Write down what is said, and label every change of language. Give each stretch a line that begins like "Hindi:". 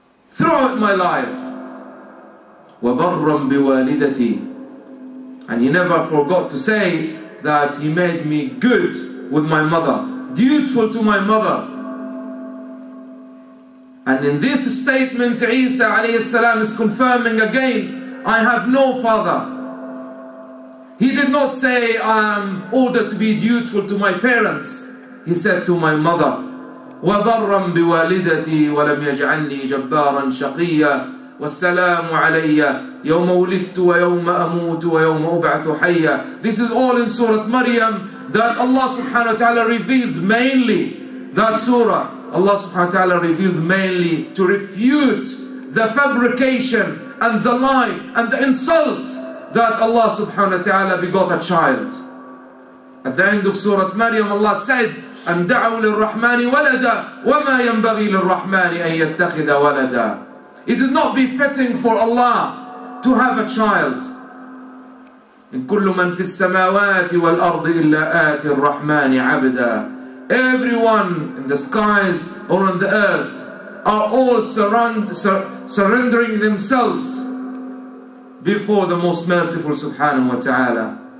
English: Throughout my life,
Arabic: وَبَرًّا بِوَالِدَتِي,
English: and He never forgot to say that He made me good with my mother, dutiful to my mother. And in this statement, Isa alayhi salam is confirming again, I have no father. He did not say, I am ordered to be dutiful to my parents. He said to my mother,
Arabic: وَبَرًّا بِوَالِدَتِي وَلَمْ يَجْعَلْنِي جَبَّارًا شَقِيًّا وَالسَّلَامُ عَلَيَّ يَوْمَ وُلِدْتُ وَيَوْمَ أَمُوتُ وَيَوْمَ أُبْعَثُ حَيَّ.
English: This is all in Surah Maryam that Allah subhanahu wa ta'ala revealed mainly. That surah, Allah subhanahu wa ta'ala revealed mainly to refute the fabrication and the lie and the insult that Allah subhanahu wa ta'ala begot a child. At the end of Surah Maryam, Allah said,
Arabic: أَنْ دَعَوْا لِلرَّحْمَانِ وَلَدًا وَمَا يَنْبَغِي لِلرَّحْمَانِ أَنْ يَتَّخِذَ وَلَدًا.
English: It is not befitting for Allah to have a child.
Arabic: إِنْ كُلُّ مَنْ فِي السَّمَاوَاتِ وَالْأَرْضِ إِلَّا آتِي الرَّحْمَانِ عَبْدًا.
English: Everyone in the skies or on the earth are all surrendering themselves before the Most Merciful subhanahu wa ta'ala.